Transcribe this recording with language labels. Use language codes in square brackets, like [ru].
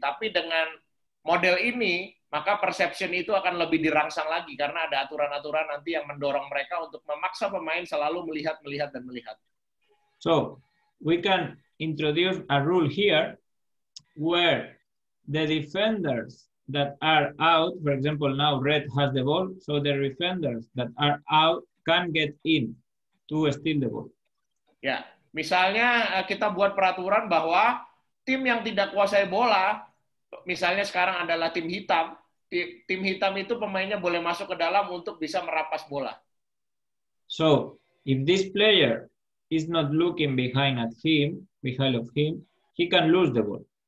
[id] Tapi dengan model ini, maka perception itu akan lebih dirangsang lagi karena ada aturan-aturan nanti yang mendorong mereka untuk memaksa pemain selalu melihat, melihat, dan melihat. [en] So, we can introduce a rule here where the defenders that are out, for example, now red has the ball, so the defenders that are out can get in to steal the ball. [id] Ya, misalnya kita buat peraturan bahwa tim yang tidak kuasai bola, misalnya sekarang adalah tim hitam, tim hitam itu pemainnya boleh masuk ke dalam untuk bisa merampas bola. [en] So, if this player is not looking behind of him, he can lose the ball.